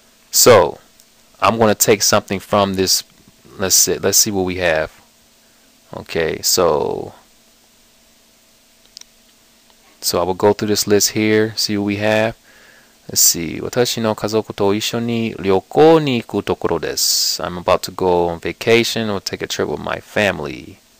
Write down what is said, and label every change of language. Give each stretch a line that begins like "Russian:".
English: So I'm going to take something from this. Let's see what we have. Okay, So I will go through this list here, see what we have. Let's see.
Japanese: 私の家族と一緒に旅行に行くところです.
English: I'm about to go on vacation or take a trip with my family.